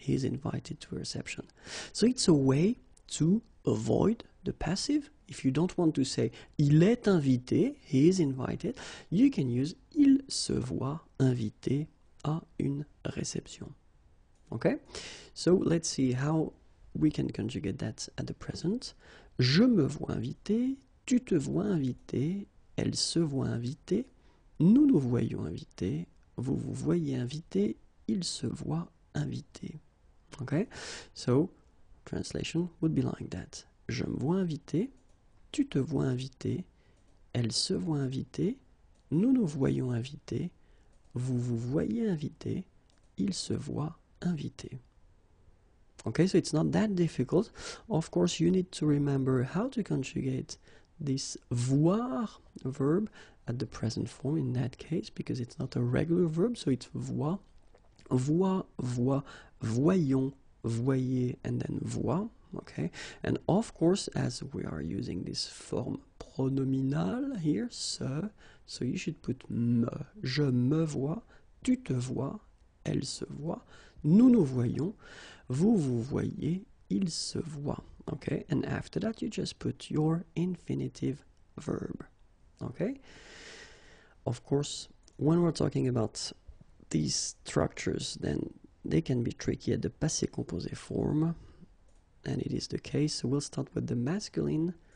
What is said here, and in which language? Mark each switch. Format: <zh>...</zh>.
<en>He is invited to a reception. So it's a way to avoid the passive. If you don't want to say</en> <fr>il est invité,</fr> <en>he is invited, you can use</en> <fr>il se voit invité à une réception.</fr> <en>Okay? So let's see how we can conjugate that at the present.</en> <fr>Je me vois invité, tu te vois invité, elle se voit invité, nous nous voyons invité, vous vous voyez invité, il se voit invité. Okay?</fr> <en>So translation would be like that.</en> <fr>Je me vois invité, tu te vois invité, elle se voit invité, nous nous voyons invité, vous vous voyez invité, il se voit invité.</fr> <en>Okay, so it's not that difficult. Of course, you need to remember how to conjugate this voir verb at the present form in that case, because it's not a regular verb, so it's</en> <fr>voit, voit, voit, voyons, voyez,</fr> <en>and then voit. Okay, and of course, as we are using this form pronominal here, se, so you should put me.</en> <fr>Je me vois, tu te vois, elle se voit, nous nous voyons, vous vous voyez, il se voit.</fr> <en>Okay, and after that, you just put your infinitive verb. Okay, of course, when we're talking about these structures, then they can be tricky at the passé composé form. And it is the case. So we'll start with the masculine</en>